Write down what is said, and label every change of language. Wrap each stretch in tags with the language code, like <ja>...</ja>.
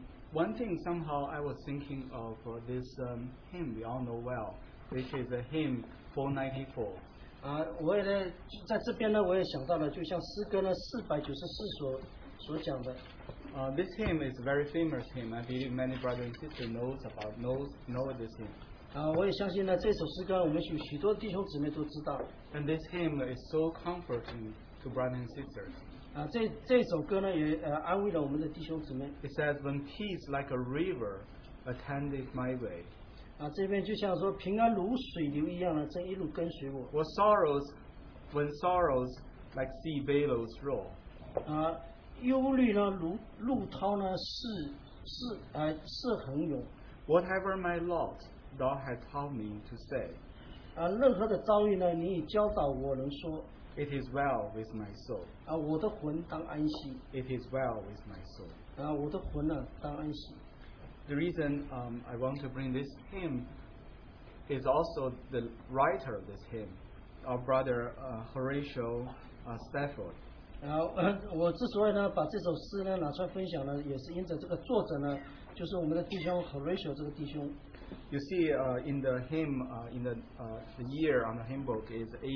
<en>One thing somehow I was thinking of this hymn we all know well, which is a hymn 494.</en> <zh>我也在这边呢，我也想到了，就像诗歌呢494所讲的。</zh> <en>This hymn is a very famous hymn. I believe many brothers and sisters know this hymn.</en> <zh>我也相信呢，这首诗歌我们许多弟兄姊妹都知道。</zh> <en>And this hymn is so comforting to brothers and sisters.</en> <zh>这首歌呢也安慰了我们的弟兄姊妹。</zh> <en>It says, "When peace like a river attendeth my way."</en> <zh>这边就像说平安如水流一样的这一路跟随我。</zh> <en>What sorrows, when sorrows like sea billows roll.</en> <zh>忧虑呢如陆涛呢是是恒勇。</zh> <en>Whatever my lot, thou hast taught me to say.</en> <zh>任何的遭遇呢, 你已教导我能说,</zh> <en>it is well with my soul.</en> <zh>我的魂当安息。</zh> <en>It is well with my soul.</en> <zh>我的魂呢,当安息。</zh> <en>The reason I want to bring this hymn is also the writer of this hymn, our brother Horatio Stafford.</en> <zh>我之所以呢把这首诗呢拿出来分享呢，也是因着这个作者呢。就是我们的弟兄,</zh> <en>Horatio</en> <zh>这个弟兄,</zh> <en>you see in the hymn in the year on the hymn book is</en>